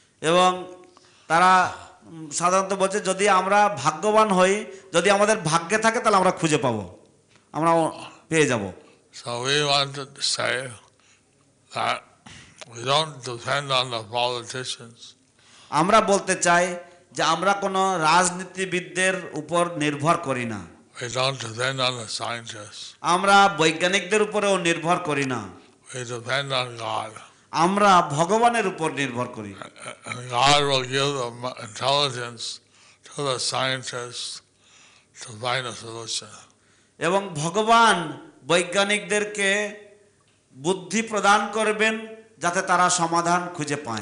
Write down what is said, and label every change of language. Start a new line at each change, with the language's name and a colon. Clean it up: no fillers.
Bangla: এবং তারা সাধারণত বলছে যদি আমরা ভাগ্যবান হই, যদি আমাদের ভাগ্যে থাকে তাহলে আমরা খুঁজে পাবো, আমরা পেয়ে যাবো।
English: So we want to say that we don't depend on the politicians.
Bangla: আমরা বলতে চাই যে আমরা কোনো রাজনীতিবিদদের উপর নির্ভর করি না।
English: We don't depend on the scientists.
Bangla: আমরা বৈজ্ঞানিকদের উপরেও নির্ভর করি না।
English: We depend on God.
Bangla: আমরা ভগবানের উপর নির্ভর করি।
English: God will give the intelligence to the scientists to find a solution.
Bangla: এবং ভগবান বৈজ্ঞানিকদেরকে বুদ্ধি প্রদান করবেন যাতে তারা সমাধান খুঁজে